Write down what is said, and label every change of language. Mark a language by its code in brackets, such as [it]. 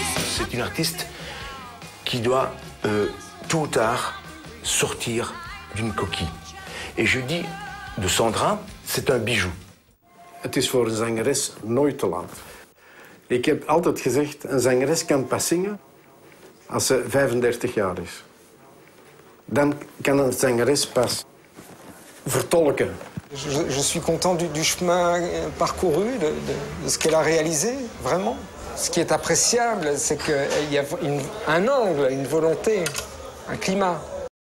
[fr] C'est une artiste qui doit tôt ou tard sortir d'une coquille. Et je dis de Sandra, c'est un bijou. [nl] Het is voor een zangeres nooit te laat. Ik heb altijd gezegd, een zangeres kan pas zingen als ze 35 jaar is. Dan kan een zangeres pas vertolken. [fr] Je suis content du chemin parcouru, de ce qu'elle a réalisé, vraiment. Ce qui est appréciable, c'est qu'il y a un angle, une volonté, un climat.